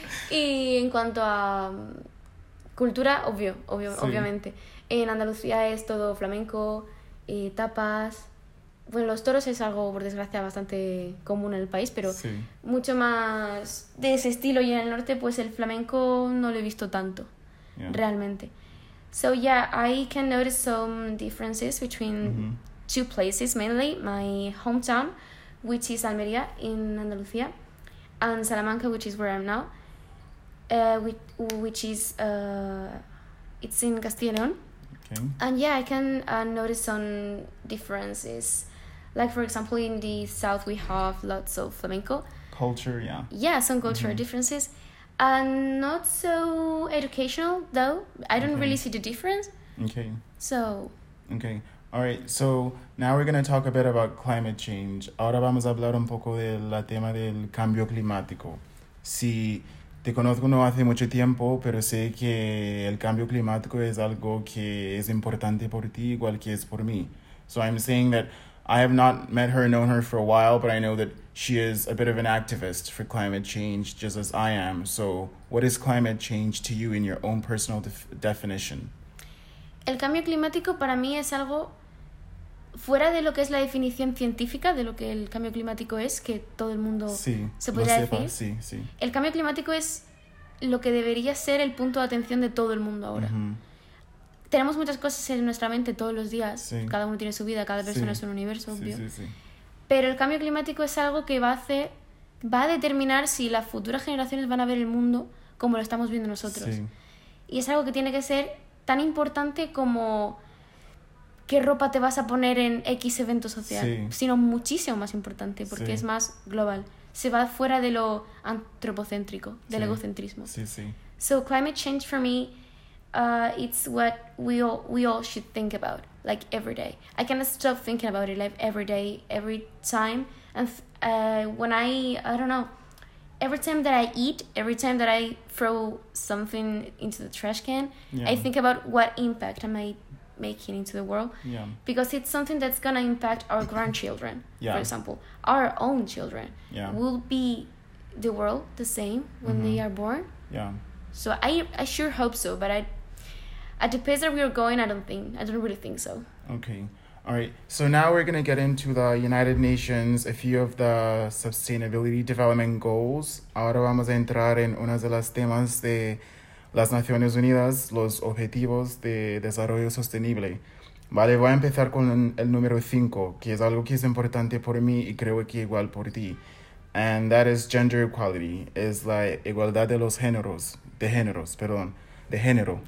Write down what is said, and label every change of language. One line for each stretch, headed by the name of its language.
Spanish: Y en cuanto a cultura, obviamente. En Andalucía es todo flamenco. Tapas, bueno, los toros es algo, por desgracia, bastante común en el país, pero mucho más de ese estilo. Y en el norte, pues el flamenco no lo he visto tanto, realmente.
English: So yeah, I can notice some differences between two places, mainly my hometown, which is Almería in Andalucía, and Salamanca, which is where I'm now, which is it's in Castilla y León. And yeah, I can notice some differences. Like, for example, in the south we have lots of flamenco. Culture, yeah. Yeah, some cultural differences. And not so educational, though. I don't really see the difference. Okay, all right. So now we're going to talk a bit about climate change.
Spanish: Ahora vamos a hablar un poco del tema del cambio climático. Si te conozco no hace mucho tiempo, pero sé que el cambio climático es algo que es importante por ti, igual que es por mí.
English: So I'm saying that I have not met her, known her for a while, but I know that she is a bit of an activist for climate change, just as I am. So what is climate change to you in your own personal definition?
Spanish: El cambio climático para mí es algo fuera de lo que es la definición científica de lo que el cambio climático es, que todo el mundo se podría decir. Sí. El cambio climático es lo que debería ser el punto de atención de todo el mundo ahora. Tenemos muchas cosas en nuestra mente todos los días. Cada uno tiene su vida, cada persona es un universo, obvio. Pero el cambio climático es algo que va a determinar si las futuras generaciones van a ver el mundo como lo estamos viendo nosotros. Y es algo que tiene que ser tan importante como ¿qué ropa te vas a poner en X evento social? Sino muchísimo más importante, porque es más global. Se va fuera de lo antropocéntrico, del egocentrismo. Sí, sí.
English: So climate change for me It's what we all should think about, like, every day. I cannot stop thinking about it, like, every day, every time. And when I don't know, every time that I eat, every time that I throw something into the trash can, yeah. I think about what impact am I making into the world. Yeah. Because it's something that's going to impact our grandchildren, yeah. for example. Our own children. Yeah. Will be the world the same when mm-hmm. they are born? Yeah. So I sure hope so, but at the pace that we are going, I don't really think so. Okay. All right. So now we're going to get into the United Nations, a few of the sustainability development goals.
Spanish: Ahora vamos a entrar en uno de los temas de las Naciones Unidas, los Objetivos de Desarrollo Sostenible. Vale, voy a empezar con el número 5, que es algo que es importante por mí y creo que igual por ti.
English: And that is gender equality.
Spanish: Es la igualdad de los géneros. De géneros, perdón. De género.